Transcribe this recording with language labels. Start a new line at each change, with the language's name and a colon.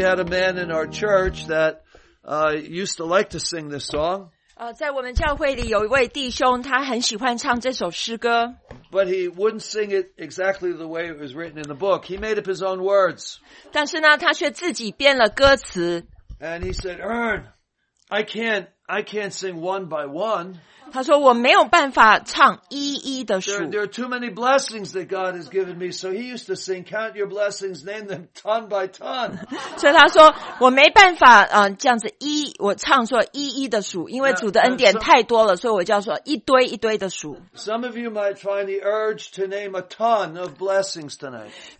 English: church that used to like to sing this song.
Chinese: 在我们教会里有一位弟兄，他很喜欢唱这首诗歌。
English: But he wouldn't sing it exactly the way it was written in the book. He made up his own words.
Chinese: 但是呢，他却自己编了歌词。
English: And he said, "Ern, I can't sing one by one."
Chinese: 他说我没有办法唱一一的数。
English: There are too many blessings that God has given me. So he used to sing, "Count your blessings, name them ton by ton."
Chinese: 所以他说我没办法这样子一一我唱说一一的数，因为主的恩典太多了，所以我就要说一堆一堆的数。
English: Some of you might find the urge to name a ton of blessings tonight.